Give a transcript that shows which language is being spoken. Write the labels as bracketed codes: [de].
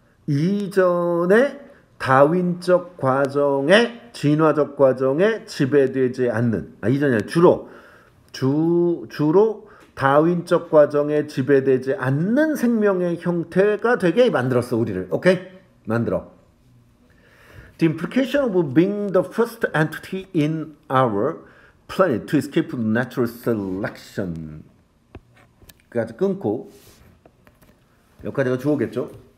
[ko] 이전의 다윈적 과정의 진화적 과정에 지배되지 않는, 이전이 아니라 주로. 주로 다윈적 과정에 지배되지 않는 생명의 형태가 되게 만들었어, 우리를. 오케이? 만들어. [en] The implication of being the first entity in our planet to escape natural selection. [ko] 여기까지 끊고, 여기까지가 주어겠죠?